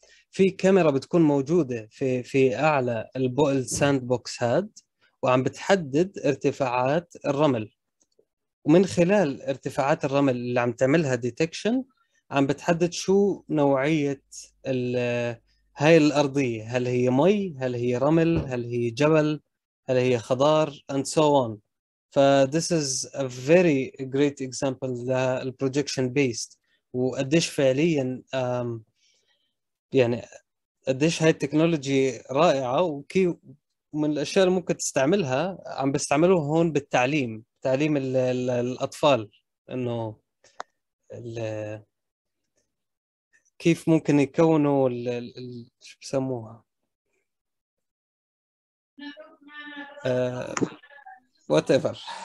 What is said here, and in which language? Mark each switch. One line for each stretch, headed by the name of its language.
Arabic: في كاميرا بتكون موجوده في اعلى الساند بوكس هاد، وعم بتحدد ارتفاعات الرمل، ومن خلال ارتفاعات الرمل اللي عم تعملها ديتكشن عم بتحدد شو نوعيه هاي الارضيه، هل هي مي، هل هي رمل، هل هي جبل، هل هي خضار،
English: and so on. فthis is a very great example the projection based.
Arabic: وقديش فعليا يعني قديش هاي التكنولوجي رائعة، وكي من الأشياء اللي ممكن تستعملها عم بيستعملوها هون بالتعليم، تعليم الأطفال، إنه كيف ممكن يكونوا شو بسموها whatever.